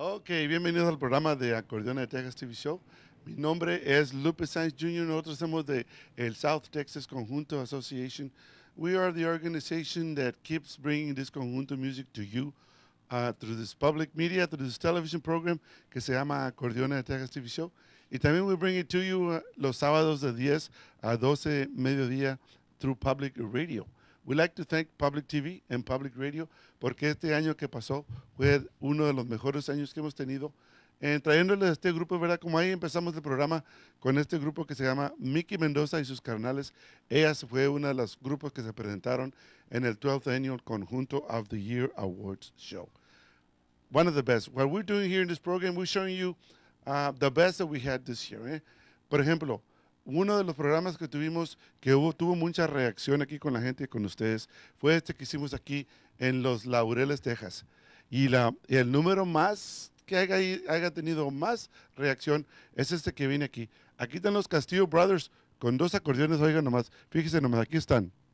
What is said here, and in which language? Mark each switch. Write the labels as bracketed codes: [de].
[es] Bienvenidos al programa de Acordeón de Texas TV Show. Mi nombre es Lupe Sainz Jr. Nosotros somos de el South Texas Conjunto Association. [en] We are the organization that keeps bringing this conjunto music to you through this public media, through this television program [es] que se llama [en] Acordeón de Texas TV Show. [es] Y también [en] we bring it to you [es] los sábados de 10 a 12 mediodía [en] through public radio. We like to thank Public TV and Public Radio [es] porque este año que pasó fue uno de los mejores años que hemos tenido en trayéndoles a este grupo, ¿verdad? Como ahí empezamos el programa con este grupo que se llama Mickey Mendoza y sus carnales. Ella fue una de los grupos que se presentaron en el 12th Annual Conjunto of the Year Awards Show. [en] One of the best. What we're doing here in this program, we're showing you the best that we had this year. [es] Por ejemplo, uno de los programas que tuvimos, que tuvo mucha reacción aquí con la gente y con ustedes, fue este que hicimos aquí en Los Laureles, Texas. Y el número más que haya tenido más reacción es este que viene aquí. Aquí están los Castillo Brothers con dos acordeones, oigan nomás, fíjense nomás, aquí están.